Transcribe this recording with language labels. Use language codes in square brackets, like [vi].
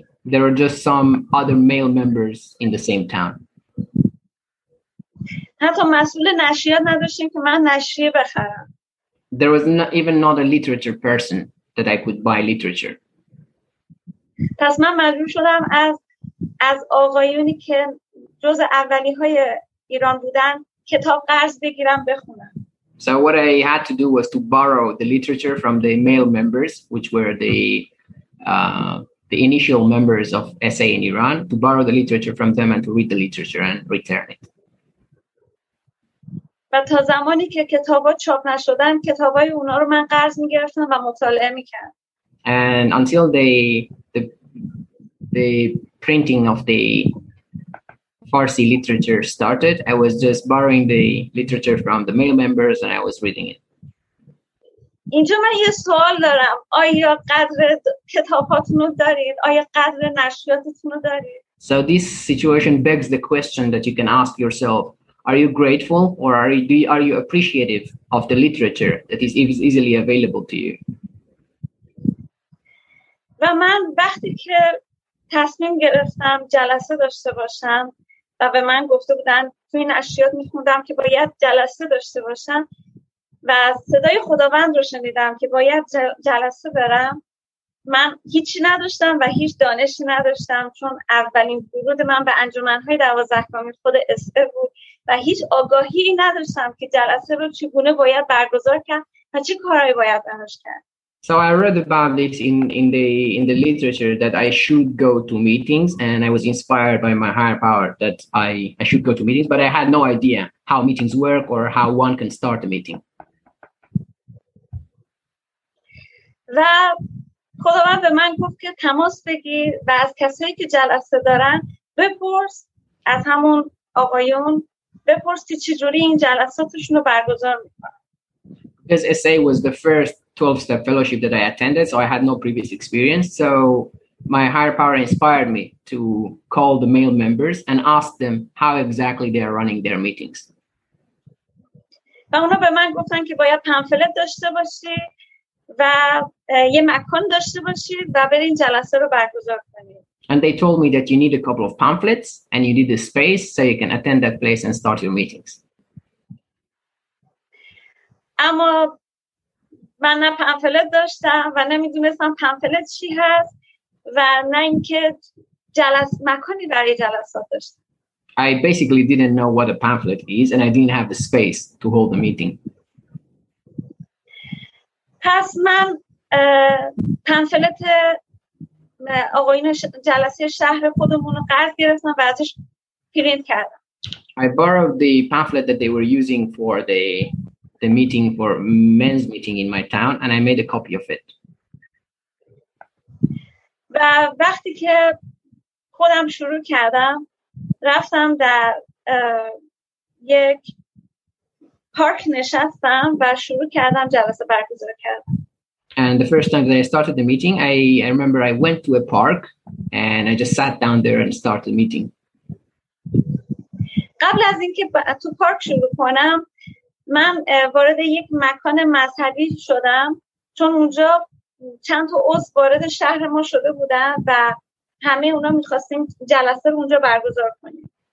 [en] There were just some other male members in the same town. [fa] حتی مسئول نشریات نداشتیم که من نشریه بخرم. [en] There was not even a literature person that I could buy literature. [fa] پس من مجبور شدم از آقایونی که جز اولی های ایران بودن کتاب قرض بگیرم بخونم. [en] So what I had to do was to borrow the literature from the male members, which were the initial members of SA in Iran, to borrow the literature from them and to read the literature and return it. [fa] و تا زمانی که کتابا چاپ نشدن کتابای اونا رو من قرض میگرفتم و مطالعه میکردم. [en] And until the printing of the Farsi literature started, I was just borrowing the literature from the male members and I was reading it. [fa] اینجا من یه سوال دارم. آیا قدر کتاباتونو دارید؟ آیا قدر نشریاتتونو دارید؟ [en] So this situation begs the question that you can ask yourself. Are you grateful or are you appreciative of the literature that is easily available to you? [fa] و من وقتی که تصمیم گرفتم جلسه داشته باشم و به من گفته بودن تو این نشریات می‌خوندم که باید جلسه داشته باشم و صدای خداوند رو شنیدم که باید جلسه برم، من هیچی نداشتم و هیچ دانشی نداشتم، چون اولین ورود من به انجمن‌های دوازدهگانی خود اسعه بود و هیچ آگاهی نداشتم که جلسه رو چگونه باید برگزار کرد و چه کارهایی باید انجام کرد. [en] So I read about it in the literature that I should go to meetings, and I was inspired by my higher power that I should go to meetings, but I had no idea how meetings work or how one can start a meeting. [fa] و خداوند به من گفت که تماس بگیر و از کسایی که جلسه دارن بپرس، از همون آقایون بپرس که چجوری این جلساتشون رو برگزار میکنن. [en] This SA was the first 12-step fellowship that I attended, so I had no previous experience. So my higher power inspired me to call the male members and ask them how exactly they are running their meetings. [fa] و اونا به من گفتن که باید پنفلت داشته باشی و یه مکان داشته باشی و برین جلسه رو برگزار کنی. [en] And they told me that you need a couple of pamphlets and you need a space so you can attend that place and start your meetings. [fa] اما من نه پمفلت داشتم و نمیدونستم پمفلت چی هست و نه اینکه مکانی برای جلسات داشتم. [en] I basically didn't know what a pamphlet is and I didn't have the space to hold the meeting. [fa] پس من پمفلت آقایون جلسه شهر خودمون رو قرض گرفتم و ازش پرینت کردم. [en] I borrowed the pamphlet that they were using for the meeting, for men's meeting in my town, and I made a copy of it. [fa] و وقتی که خودم شروع کردم رفتم در یک پارک نشستم و شروع کردم جلسه برگزار کردم. [en] And the first time that I started the meeting, I remember I went to a park and I just sat down there and started the meeting. [fa] قبل از اینکه تو پارک شروع کنم من وارد یک مکان مذهبی شدم چون اونجا چند تا عضو وارد شهر ما شده بودن و همه اونا می‌خواستیم جلسه رو اونجا برگزار کنیم.